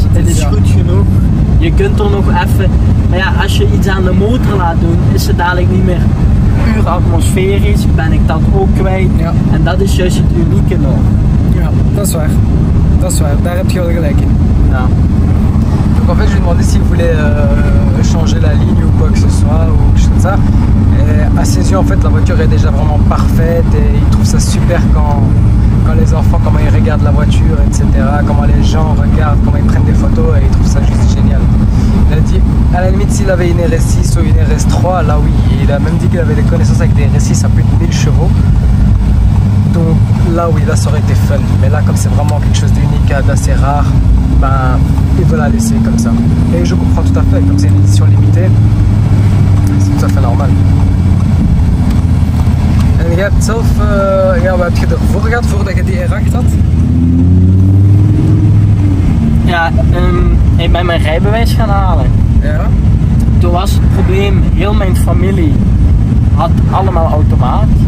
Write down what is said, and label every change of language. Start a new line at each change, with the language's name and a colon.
Dutch: Het is goed genoeg. Je kunt er nog even, maar ja, als je iets aan de motor laat doen, is het dadelijk niet meer puur atmosferisch, ben ik dat ook kwijt. Ja. En dat is juist het unieke nog. Ja, dat is waar. Dat is waar, daar heb je wel gelijk in. Ja.
French: En fait, je lui demandais s'il voulait changer la ligne ou quoi que ce soit, ou quelque chose comme ça. Et à ses yeux, en fait, la voiture est déjà vraiment parfaite et il trouve ça super quand les enfants, comment ils regardent la voiture, etc. Comment les gens regardent, comment ils prennent des photos, et ils trouvent ça juste génial. Il a dit, à la limite, s'il avait une RS6 ou une RS3, là oui, il a même dit qu'il avait des connaissances avec des RS6 à plus de 1000 chevaux. Donc là oui, là ça aurait été fun. Mais là, comme c'est vraiment quelque chose d'unique, d'assez rare, ben, il veut la laisser comme ça. Et je comprends tout à fait, comme c'est une édition limitée, c'est tout à fait normal.
Dutch: Je hebt zelf, ja, wat heb je ervoor gehad voordat je die erachter had? Ja, ik ben mijn rijbewijs gaan halen. Ja? Toen was het probleem, heel mijn familie had allemaal automaat.